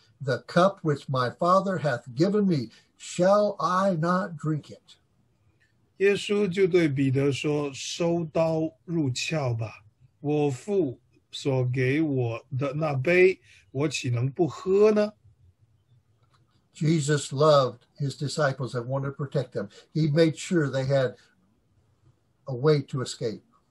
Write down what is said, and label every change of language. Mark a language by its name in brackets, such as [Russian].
[English] The cup which my Father hath given me, shall I not drink it? [Chinese] 耶稣就对彼得说，收刀入鞘吧，我父所给我的那杯，我岂能不喝呢？ [English] Jesus loved his disciples and wanted to protect them. He made sure they had a way to escape.